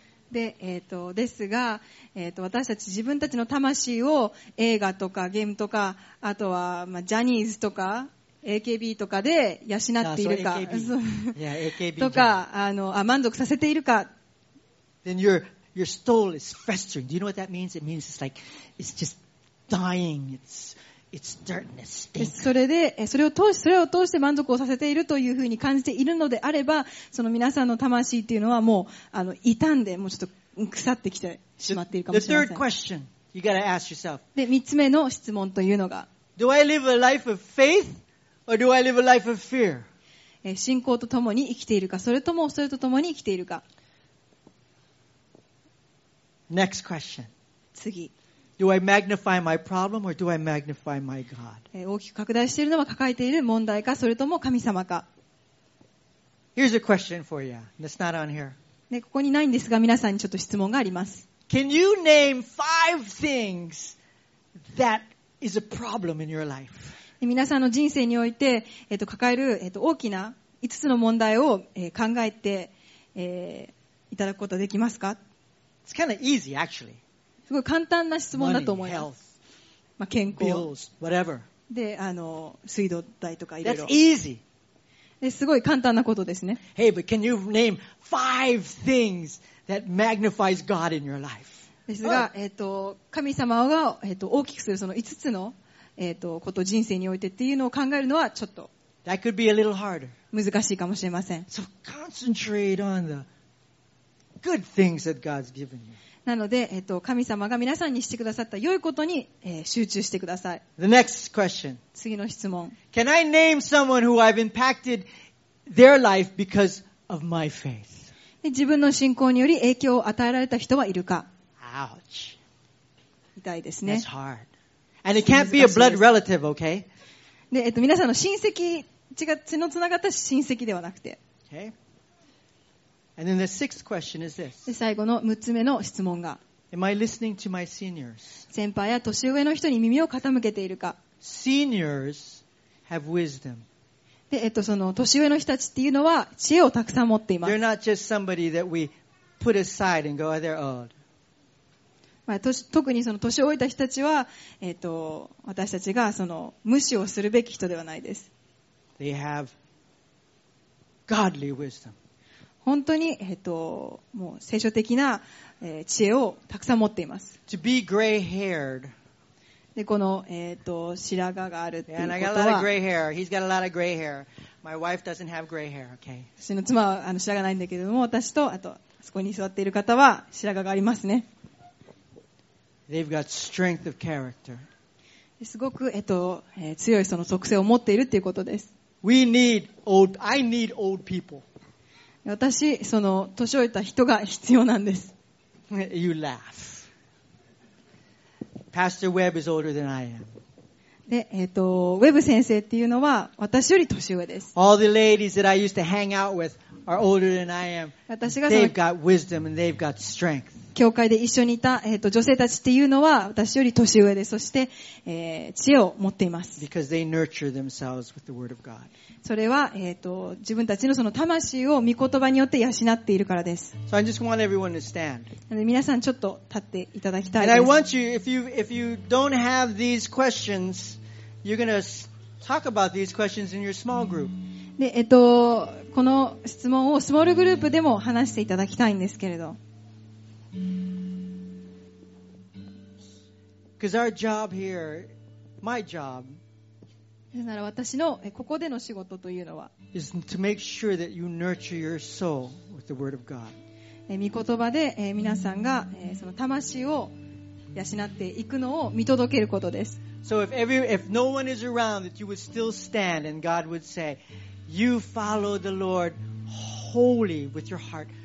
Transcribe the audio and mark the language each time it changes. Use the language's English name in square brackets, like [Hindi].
[Japanese] で、ですが、私たち自分たちの魂を映画とかゲームとかあとはまあジャニーズとか AKB とかで養っているか。 [English] Yeah, so AKB. Yeah, AKB. [Japanese] とか、満足させているか。 [English] Then your soul is festering. Do you know what that means? It means it's like, it's just dying. It's dirt and it's stinking. [Japanese] それを通して満足をさせているというふうに感じているのであれば、その皆さんの魂っていうのはもう、傷んで、もうちょっと腐ってきてしまっているかもしれません。 [English] The third question you gotta ask yourself. [Japanese] で、三つ目の質問というのが。 [English] Do I live a life of faith? Or do I live a life of fear? [Japanese] 信仰とともに生きているか、それとも恐れとともに生きているか。 [English] Next question. [Japanese] 次。 [English] Do I magnify my problem or do I magnify my God? [Japanese] 大きく拡大しているのは抱えている問題か、それとも神様か。 [English] Here's a question for you. That's not on here. [Japanese] ね、ここにないんですが、皆さんにちょっと質問があります。 [English] Can you name five things that is a problem in your life? [Japanese] 皆さんの人生において、抱える、大きな5つの問題を、考えて、いただくことできますか？ [English] It's kind of easy, actually. [Japanese] すごい簡単な質問だと思います。 [English] Money, health, [Japanese] まあ、健康、 [English] bills, whatever. [Japanese] で、水道代とかいろいろ。 [English] That's easy. [Japanese] すごい簡単なことですね。 [English] Hey, but can you name five things that magnifies God in your life? [Japanese] ですが、神様が、大きくするその5つのこと人生においてっていうのを考えるのはちょっと難しいかもしれません。 [English] So concentrate on the good things that God's given you. [Japanese] なので、神様が皆さんにしてくださった良いことに、集中してください。 [English] The next question. [Japanese] 次の質問。 [English] Can I name someone who I've impacted their life because of my faith? [Japanese] 自分の信仰により影響を与えられた人はいるか。 [English] Ouch. [Japanese] 痛いですね。 [English] That's hard. And it can't be a blood relative, okay? [Japanese] で、皆さんの親戚、血のつながった親戚ではなくて。 [English] Okay. And then the sixth question is this. [Japanese] で最後の6つ目の質問が [English] Am I listening to my seniors? [Japanese] 先輩や年上の人に耳を傾けているか [English] Seniors have wisdom. [Japanese] で、その年上の人たちっていうのは知恵をたくさん持っています。 [English] They're not just somebody that we put aside and go, oh, they're old. [Japanese] 特にその年老いた人たちは、私たちがその無視をするべき人ではないです。 [English] They have godly wisdom. [Japanese] 本当に、もう聖書的な、知恵をたくさん持っています。 [English] To be gray-haired. [Japanese] で、この、白髪があるということは。 [English] Yeah, and I got a lot of gray hair. He's got a lot of gray hair. My wife doesn't have gray hair. Okay. [Japanese] 私の妻は白髪ないんだけども、私とあとそこに座っている方は白髪がありますね。 [English] They've got strength of character. [Japanese] すごく、強いその属性を持っているということです。 [English] We need old. I need old people. [Japanese] 私その年老いた人が必要なんです。 [English] You laugh. Pastor Webb is older than I am. [Japanese] で、ウェブ先生っていうのは私より年上です。 [English] All the ladies that I used to hang out with are older than I am. They've got wisdom and they've got strength. [Japanese] 教会で一緒にいた、女性たちっていうのは私より年上です。そして、知恵を持っています。 [English] Because they nurture themselves with the word of God. [Japanese] それは、自分たちのその魂を御言葉によって養っているからです。 [English] So I just want everyone to stand. [Japanese] なので皆さんちょっと立っていただきたいです。 [English] And I want you, if you don't have these questions, you're going to talk about these questions in your small group. [Japanese] で、この質問をスモールグループでも話していただきたいんですけれど。 [English] Because our job here, my job, [Japanese] なら私のここでの仕事というのは、 [English] is to make sure that you nurture your soul with the word of God. [Japanese] 御言葉で皆さんがその魂を養っていくのを見届けることです。 [English] So if no one is around, that you would still stand and God would say,You follow the Lord wholly with your heart.